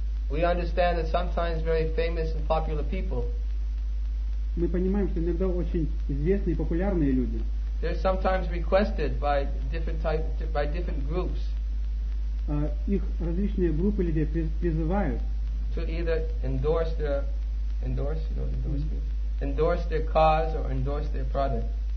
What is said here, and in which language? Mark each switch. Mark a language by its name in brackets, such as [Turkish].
[English] We understand that sometimes very famous and popular people. [Russian] Мы понимаем, что иногда очень известные и популярные люди. [English] They're sometimes requested by different groups. [Russian] Их различные группы людей призывают. [English] To either endorse their cause or endorse their product.